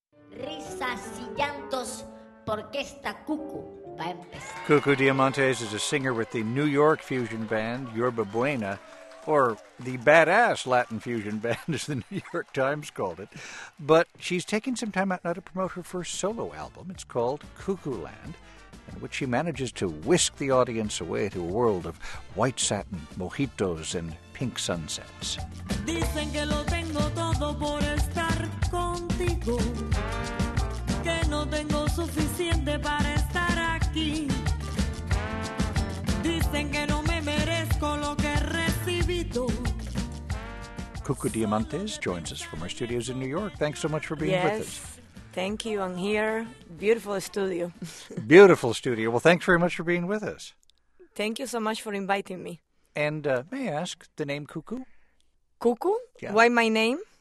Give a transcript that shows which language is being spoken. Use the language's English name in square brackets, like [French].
[Spanish] risas y llantos porque esta cucu va a empezar. [English] Cucu Diamantes is a singer with the New York fusion band Yerba Buena, or the badass Latin fusion band, as the New York Times called it. But she's taking some time out now to promote her first solo album. It's called Cuckoo Land, in which she manages to whisk the audience away to a world of white satin, mojitos, and pink sunsets. [Spanish] Dicen que lo tengo todo por estar contigo, que no tengo suficiente para estar aquí. Dicen que no me merezco lo que recibido. [English] Cucu Diamantes joins us from our studios in New York. Thanks so much for being yes. with us. Thank you. I'm here. Beautiful studio. Beautiful studio. Well, thanks very much for being with us. Thank you so much for inviting me. And may I ask the name Cuckoo? Cuckoo? Yeah. Why my name?